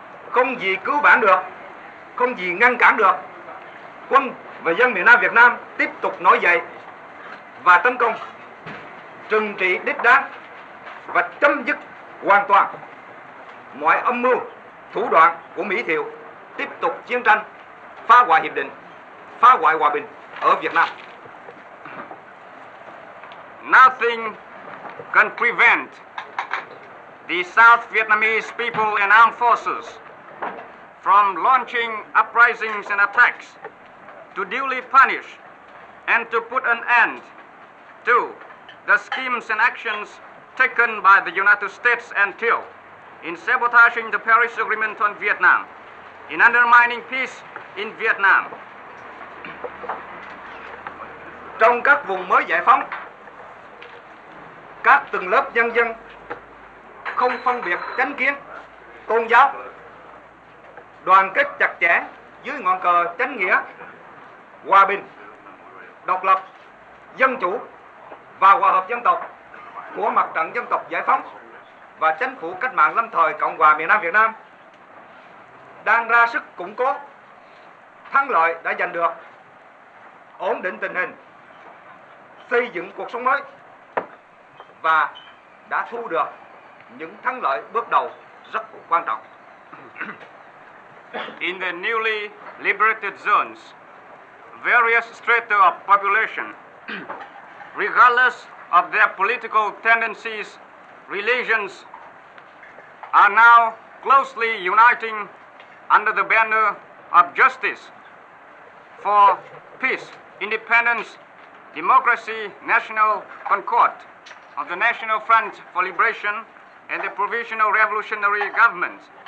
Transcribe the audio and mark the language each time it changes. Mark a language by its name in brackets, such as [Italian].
[Vietnamese] Không gì cứu vãn được, không gì ngăn cản được. Quân và dân miền Nam Việt Nam tiếp tục nổi dậy và tấn công, trừng trị đích đáng và chấm dứt hoàn toàn mọi âm mưu, thủ đoạn của Mỹ Thiệu tiếp tục chiến tranh, phá hoại hiệp định, phá hoại hòa bình ở Việt Nam. [English] Nothing can prevent the South Vietnamese people and armed forces from launching uprisings and attacks to duly punish and to put an end to the schemes and actions taken by the United States and Thieu in sabotaging the Paris Agreement on Vietnam, in undermining peace in Vietnam. [Vietnamese] Trong các vùng mới giải phóng, các tầng lớp nhân dân không phân biệt chánh kiến, tôn giáo, đoàn kết chặt chẽ dưới ngọn cờ chánh nghĩa, hòa bình, độc lập, dân chủ và hòa hợp dân tộc của Mặt trận Dân tộc Giải phóng và Chính phủ Cách mạng Lâm thời Cộng hòa miền Nam Việt Nam đang ra sức củng cố thắng lợi đã giành được, ổn định tình hình, xây dựng cuộc sống mới và đã thu được những thắng lợi bước đầu rất quan trọng. [English] In the newly liberated zones, various strata of population, regardless of their political tendencies, religions, are now closely uniting under the banner of justice for peace, independence, democracy, national concord of the National Front for Liberation and the Provisional Revolutionary Government.